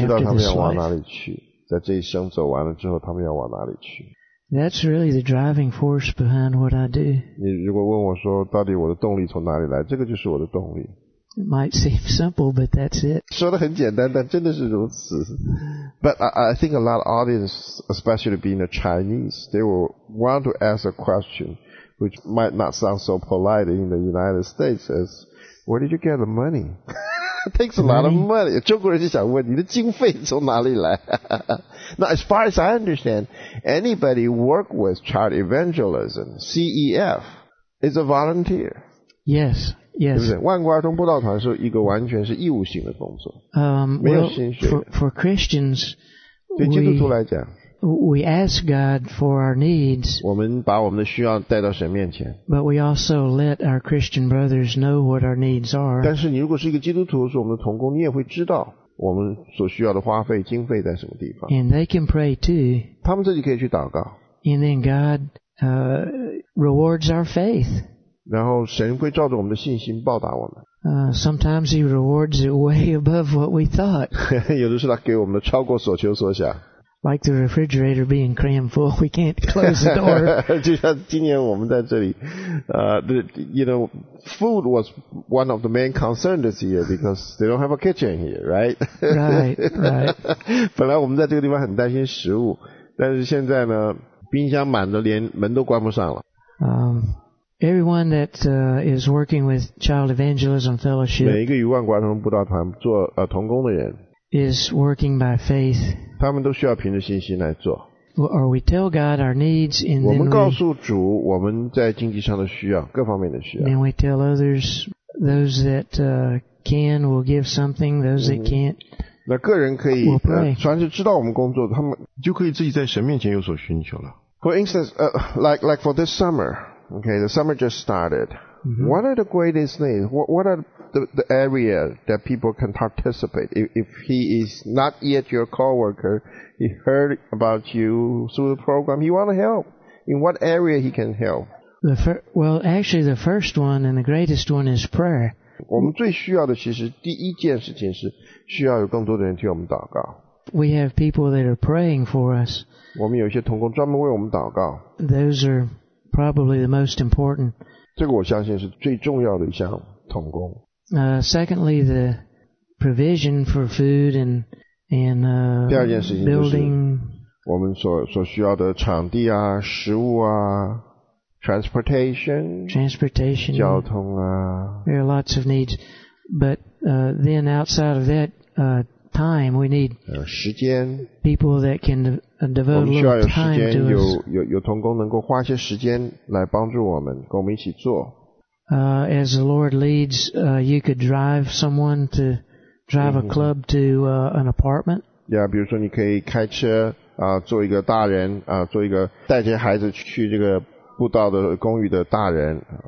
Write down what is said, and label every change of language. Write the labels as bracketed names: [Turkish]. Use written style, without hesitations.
[Chinese] 知道他们要往哪里去，在这一生走完了之后，他们要往哪里去。 [English] That's really the driving force behind what I do. [Chinese] 你如果问我说到底我的动力从哪里来，这个就是我的动力。 [English] It might seem simple, but that's it. [Chinese] 说得很简单，但真的是如此。 [English] But I think a lot of audience, especially being a Chinese, they will want to ask a question which might not sound so polite in the United States as, where did you get the money? It takes a lot of money. [Chinese] 中国人就想问你的经费从哪里来。 [English] Now, as far as I understand, anybody work with Child Evangelism, CEF, is a volunteer. Yes, yes. [Chinese] 对不对？万国儿童布道团是一个完全是义务性的工作。没有薪水。 [English] For Christians, [Chinese] 对基督徒来讲， [English] we ask God for our needs. [Chinese] 我们把我们的需要带到神面前。 [English] But we also let our Christian brothers know what our needs are. [Chinese] 但是你如果是一个基督徒，是我们的同工，你也会知道我们所需要的花费经费在什么地方。 [English] And they can pray too. [Chinese] 他们自己可以去祷告。 [English] And then God, rewards our faith. [Chinese] 然后神会照着我们的信心报答我们。 [English] Sometimes he rewards it way above what we thought. [Chinese] 有的时候他给我们超过所求所想。 [English] Like the refrigerator being crammed full, we can't close the door. [Chinese] 就像今年我们在这里， [English] you know, food was one of the main concerns this year because they don't have a kitchen here, right? Right, right. [Chinese] 本来我们在这个地方很担心食物，但是现在呢，冰箱满的连门都关不上了。 [English] Everyone that is working with Child Evangelism Fellowship, [Chinese] 每一个与万国儿童布道团做同工的人， [English] is working by faith. [Chinese] 他们都需要凭着信心来做。 [English] Or we tell God our needs, and then [Chinese] 我们告诉主我们在经济上的需要，各方面的需要。 [English] And we tell others, those that can will give something, those that can't. [Chinese] 那个人可以， [English] we'll pray. [Chinese] 虽然是知道我们工作，他们就可以自己在神面前有所寻求了。 [English] For instance, like for this summer, okay, the summer just started. What are the greatest needs? What are the area that people can participate? If he is not yet your coworker, he heard about you through the program, he want to help. In what area he can help? The first one and the greatest one is prayer. [Chinese] 我们最需要的其实第一件事情是需要有更多的人替我们祷告。 [English] We have people that are praying for us. [Chinese] 我们有一些同工专门为我们祷告。 [English] Those are probably the most important. [Chinese] 这个我相信是最重要的一项同工。 [English] Secondly, the provision for food and building. [Chinese] 我们所需要的场地啊，食物啊， transportation, 交通啊。 [English] There are lots of needs, but then outside of that, time we need. [Chinese] 时间。 [English] People that can devote a little time to us. [Chinese] 我们需要有时间，有同工能够花些时间来帮助我们，跟我们一起做。 [English] As the Lord leads, you could drive someone to drive a club to an apartment. [Chinese] Yeah, 比如说你可以开车做一个大人做一个带着孩子去这个步道的公寓的大人